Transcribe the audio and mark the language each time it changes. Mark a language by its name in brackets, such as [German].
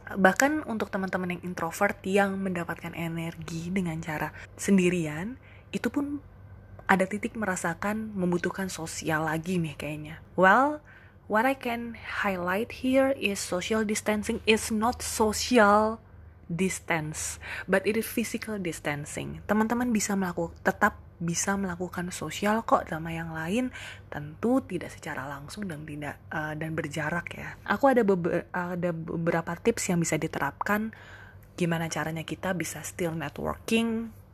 [Indonesian] Bahkan untuk teman-teman yang introvert yang mendapatkan energi dengan cara sendirian, itu pun ada titik merasakan membutuhkan sosial lagi nih kayaknya. [English] Well, what I can highlight here is social distancing is not social distance, but it is physical distancing. [Indonesian] Teman-teman tetap bisa melakukan sosial kok sama yang lain, tentu tidak secara langsung dan tidak dan berjarak ya. Aku ada beberapa tips yang bisa diterapkan gimana caranya kita bisa still networking.